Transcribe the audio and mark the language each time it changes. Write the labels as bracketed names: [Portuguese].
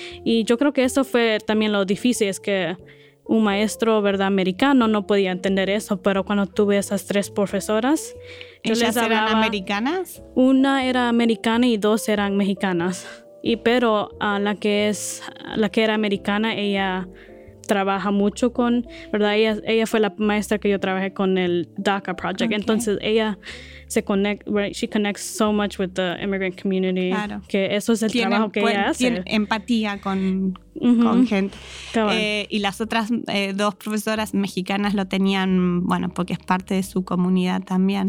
[Spanish] Y yo creo que eso fue también lo difícil, es que un maestro, ¿verdad?, americano no podía entender eso, pero cuando tuve esas 3 profesoras, ¿ellas eran americanas? Una era americana y 2 eran mexicanas. pero la que era americana, ella trabaja mucho con, ¿verdad? Ella fue la maestra que yo trabajé con el DACA Project. Okay. Entonces ella se conecta, [English] right? She connects so much with the immigrant community. [Spanish] Claro. Que eso es el trabajo que ella hace. Tiene empatía con, uh-huh, con gente. Y las otras dos profesoras mexicanas lo tenían, bueno, porque es parte de su comunidad también.